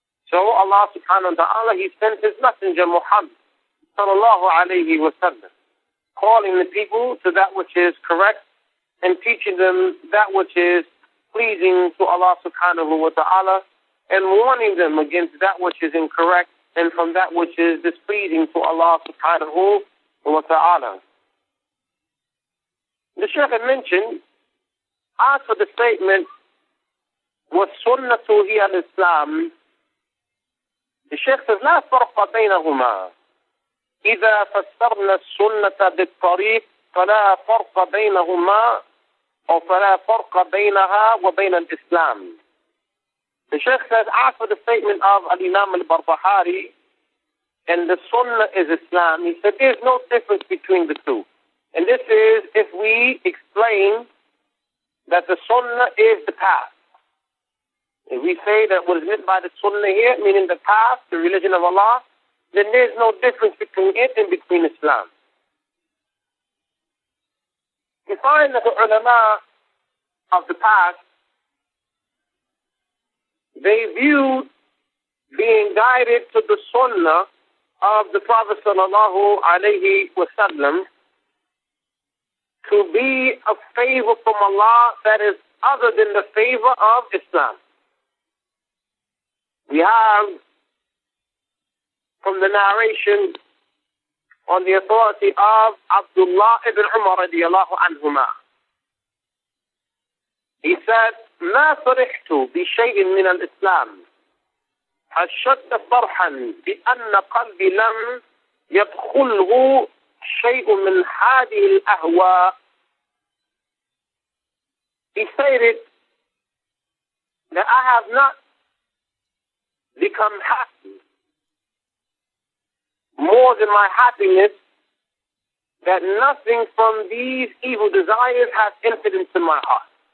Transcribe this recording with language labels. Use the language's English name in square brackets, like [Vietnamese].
[English] So Allah subhanahu wa ta'ala, he sent his messenger Muhammad sallallahu alayhi wa sallam, calling the people to that which is correct and teaching them that which is pleasing to Allah subhanahu wa ta'ala and warning them against that which is incorrect and from that which is displeasing to Allah subhanahu wa ta'ala. The Sheikh had mentioned, as for the statement, was sunnatu hi al-Islam, the Sheikh says, [Arabic] لا فرق بينهما. إذا فسرنا السنة بالطريق فلا فرق بينهما أو فلا فرق بينها وبين الإسلام. [English] The Sheikh says, as for the statement of Al-Imam Al-Barbahari, and the sunnah is Islam, he said, there's no difference between the two. And this is if we explain that the sunnah is the path. If we say that what is meant by the sunnah here, meaning the path, the religion of Allah, then there is no difference between it and between Islam. We find that the ulama of the past, they viewed being guided to the sunnah of the Prophet sallallahu alayhi wa sallam to be a favor from Allah that is other than the favor of Islam. We have from the narration on the authority of Abdullah ibn Umar radiallahu anhuma. [Arabic] He said, ما فرحت بشيء من الإسلام حشدت فرحا بأن قلبي لم يدخله شيء من هذه الأهواء. [English] He stated that I have not become happy more than my happiness that nothing from these evil desires has entered into my heart.